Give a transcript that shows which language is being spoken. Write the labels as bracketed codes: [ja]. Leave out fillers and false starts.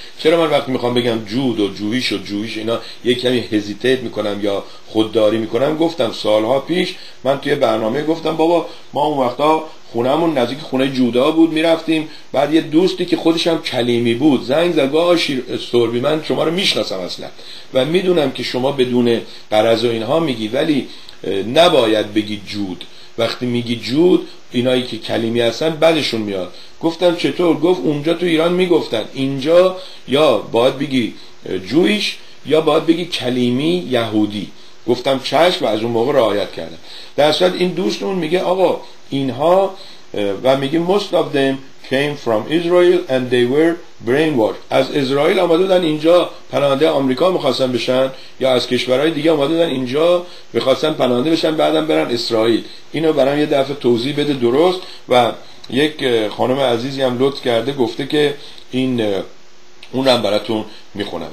[fa] چرا من وقتی میخوام بگم جود و جویش و جویش اینا یک کمی هزیتیت میکنم یا خودداری میکنم؟ گفتم سالها پیش من توی برنامه گفتم بابا ما اون وقتا خونمون نزدیک خونه جودا بود، میرفتیم بعد یه دوستی که خودش هم کلیمی بود زنگ زد گفت سوربی من شما رو میشناسم اصلا و میدونم که شما بدون قرض و اینها میگی، ولی نباید بگی جود. وقتی میگی جود اینایی که کلیمی هستن بعدشون میاد. گفتم چطور؟ گفت اونجا تو ایران میگفتن، اینجا یا باید بگی جویش یا باید بگی کلیمی یهودی. گفتم چشم و از اون موقع رعایت کردم. در اصل این دوستمون میگه آقا اینها و میگه [en] most of them came from Israel and they were brainwashed. [fa] از اسرائیل آمده بودن اینجا پناهنده آمریکا میخواستن بشن یا از کشورهای دیگه آمده بودن اینجا میخواستن پناهنده بشن بعدم برن اسرائیل. اینو برام یه دفعه توضیح بده درست. و یک خانم عزیزی هم لطف کرده گفته که این اونم براتون میخونم.